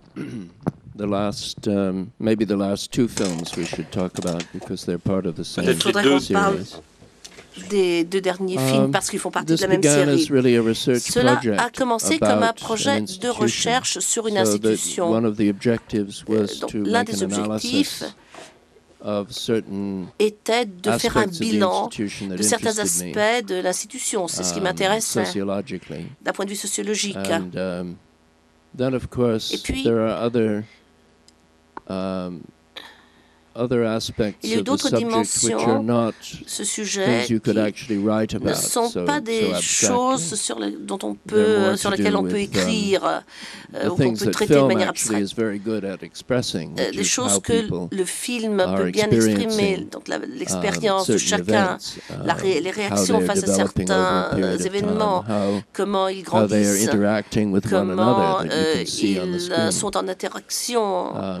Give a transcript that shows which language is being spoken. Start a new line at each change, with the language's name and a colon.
English: The last, maybe the last two films we should talk about because they're part of the same series.
French: Il faudrait qu'on parle des deux derniers films parce qu'ils font partie de la même série.
English: This began as really a research project.
French: Cela a commencé comme un projet de recherche sur une institution.
English: So one of the objectives was to
French: l'un des objectifs
English: of certain
French: était de faire un bilan de certains aspects de l'institution. C'est ce qui m'intéresse d'un point de vue sociologique.
English: And, then, of course,
French: puis,
English: there are other other aspects of the subject which are not things you could actually write about.
French: Ne sont pas des choses sur les, dont on peut, sur lesquelles on peut écrire ou qu'on peut traiter de manière abstraite.
English: Is very good at expressing,
French: des choses que le film peut bien exprimer, donc l'expérience de chacun, les réactions face à certains événements, comment ils grandissent, comment ils sont en interaction.